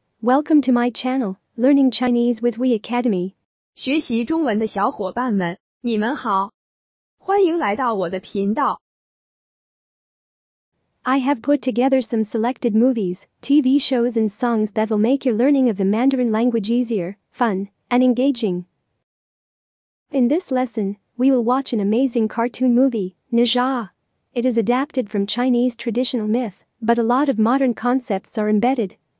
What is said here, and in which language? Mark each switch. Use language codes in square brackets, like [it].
[en] Welcome to my channel, Learning Chinese with We Academy. [zh] 学习中文的小伙伴们，你们好，欢迎来到我的频道。 [en] I have put together some selected movies, TV shows and songs that will make your learning of the Mandarin language easier, fun, and engaging. In this lesson, we will watch an amazing cartoon movie, Ne Zha. It is adapted from Chinese traditional myth. But a lot of modern concepts are embedded.